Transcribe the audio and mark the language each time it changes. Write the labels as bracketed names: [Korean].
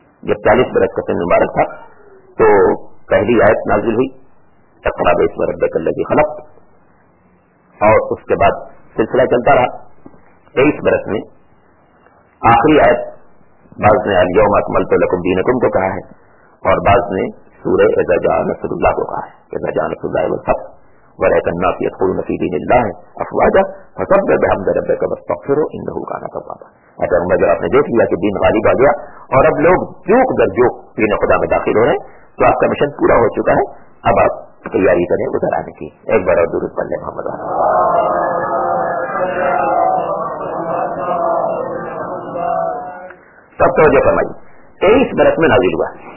[Urdu] جب 40 برس کا سن مبارک تھا تو پہلی آیت نازل ہوئی [Arabic] تقرب اسم ربک الذی خلق، [Urdu] اور اس کے بعد سلسلہ چلتا رہا 23 برس میں آخری آیت، بعض نے [Arabic] الیوم اکملت لکم دینکم [Urdu] کو کہا ہے اور بعض نے سورہ [Arabic] اذا جاء نصر اللہ [Urdu] کو کہا ہے، [Arabic] اذا جاء نصر اللہ والفتح، ولكن الناس يدخلون في دين الله افواجا فسبح بحمد ربك واستغفره انه كان توابا. [Urdu] اگر مگر آپ نے دیکھ لیا کہ دین غالب آ گیا اور اب لوگ جوک در جوک دین خدا میں داخل ہو رہے ہیں تو آپ کا مشن پورا ہو چکا ہے. اب آپ تیاری کریں ادھر آنے کی. ایک بار اور درود پڑھ لیں محمد رحمۃ سب توجہ فرمائی. 23 برس میں نازل ہوا.